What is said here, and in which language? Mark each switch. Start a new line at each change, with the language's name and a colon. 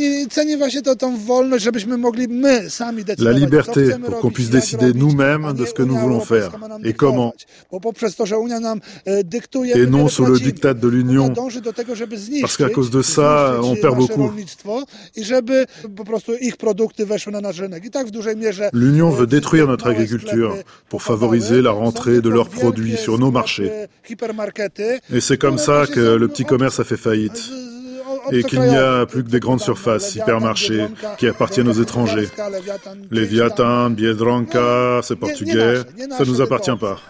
Polish: Ceni właśnie to tą wolność, żebyśmy mogli my sami decydować.
French: La liberté pour qu'on puisse décider nous-mêmes de ce que nous voulons faire et comment.
Polish: Bo poprzez to, że Unia nam dyktuje
French: et non sous le diktat de l'Union.
Polish: Dąży do tego, żeby zniszczyć.
French: Parce qu'à cause de ça, on perd beaucoup.
Polish: I żeby po prostu ich produkty weszły na nasz rynek. I tak w dużej mierze.
French: L'Union veut détruire notre agriculture pour favoriser la rentrée de leurs produits sur nos marchés. Et c'est comme ça que le petit commerce a fait faillite. Et qu'il n'y a plus que des grandes surfaces, hypermarchés, qui appartiennent aux étrangers. Leviathan, Biedronka, c'est portugais, ça ne nous appartient pas.